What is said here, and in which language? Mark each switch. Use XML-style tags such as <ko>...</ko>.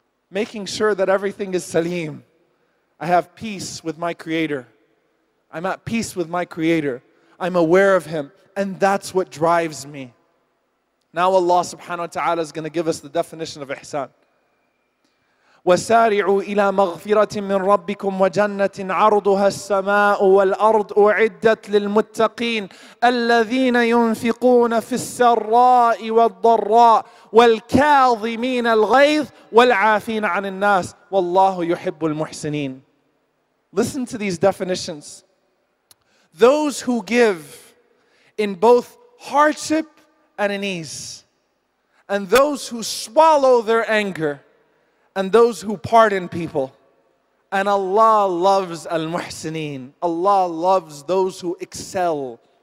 <en>Making sure that everything is salim. I have peace with my Creator. I'm at peace with my Creator. I'm aware of Him. And that's what drives me. Now Allah subhanahu wa ta'ala is going to give us the definition of ihsan.</en> <ar>وسارعوا إلى مغفرة من ربكم وجنة عرضها السماء والأرض أعدت للمتقين الذين ينفقون في السراء والضراء والكاظمين الغيظ والعافين عن الناس والله يحب المحسنين.</ar> <en>Listen to these definitions. Those who give in both hardship and in ease, and those who swallow their anger, and those who pardon people. And Allah loves al-muhsineen. Allah loves those who excel.</en>